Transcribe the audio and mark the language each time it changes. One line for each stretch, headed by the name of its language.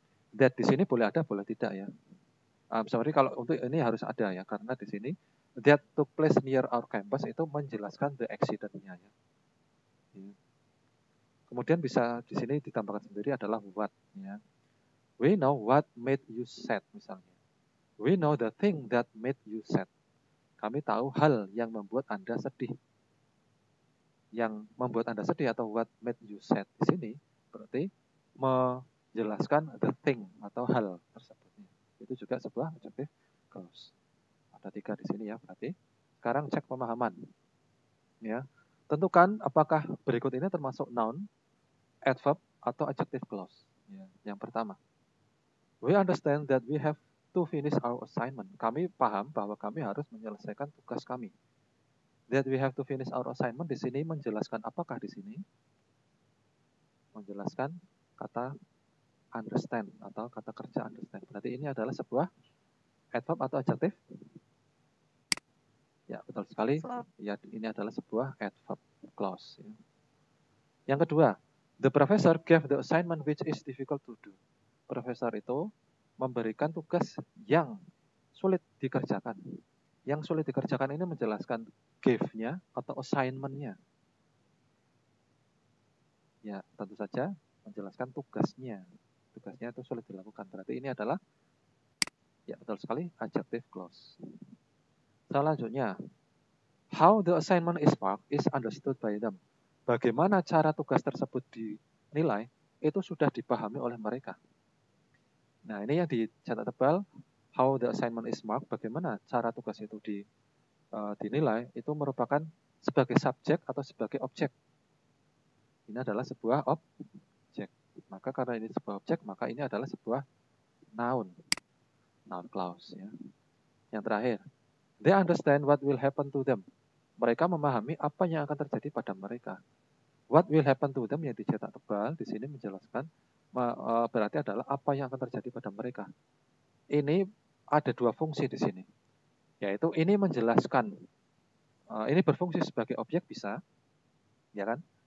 Indonesian: That di sini boleh ada, boleh tidak ya. Sorry, kalau untuk ini harus ada ya, karena di sini
English: that took place near our campus
Indonesian: itu menjelaskan
English: the accident-
Indonesian: nya ya. Kemudian bisa di sini ditambahkan sendiri adalah what ya.
English: We know what made you sad misalnya. We know the thing that made you sad.
Indonesian: Kami tahu hal yang membuat Anda sedih. Yang membuat Anda sedih atau
English: what made you sad
Indonesian: di sini berarti menjelaskan the thing atau hal tersebut. Itu juga sebuah adjective clause. Ada tiga di sini ya berarti. Sekarang cek pemahaman. Ya. Tentukan apakah berikut ini termasuk noun, adverb, atau adjective clause. Ya. Yang pertama.
English: We understand that we have to finish our assignment.
Indonesian: Kami paham bahwa kami harus menyelesaikan tugas kami.
English: That we have to finish our assignment
Indonesian: di sini menjelaskan apakah di sini? Menjelaskan kata understand atau kata kerja understand. Berarti ini adalah sebuah adverb atau adjective? Ya, betul sekali. Ya, ini adalah sebuah adverb clause. Yang kedua,
English: the professor gave the assignment which is difficult to do.
Indonesian: Profesor itu memberikan tugas yang sulit dikerjakan. Yang sulit dikerjakan ini menjelaskan give-nya atau assignment-nya. Ya, tentu saja menjelaskan tugasnya. Tugasnya itu sulit dilakukan. Berarti ini adalah, ya betul sekali, adjective clause.
English: Selanjutnya, how the assignment is marked is understood by them.
Indonesian: Bagaimana cara tugas tersebut dinilai, itu sudah dipahami oleh mereka. Nah, ini yang dicatat tebal.
English: How the assignment is marked,
Indonesian: bagaimana cara tugas itu dinilai, itu merupakan sebagai subjek atau sebagai objek. Ini adalah sebuah objek. Maka karena ini sebuah objek, maka ini adalah sebuah noun. Noun clause. Ya. Yang terakhir,
English: they understand what will happen to them.
Indonesian: Mereka memahami apa yang akan terjadi pada mereka.
English: What will happen to them
Indonesian: yang dicetak tebal, di sini menjelaskan, berarti adalah apa yang akan terjadi pada mereka. Ini ada dua fungsi di sini, yaitu ini menjelaskan, ini berfungsi sebagai objek bisa, ya kan?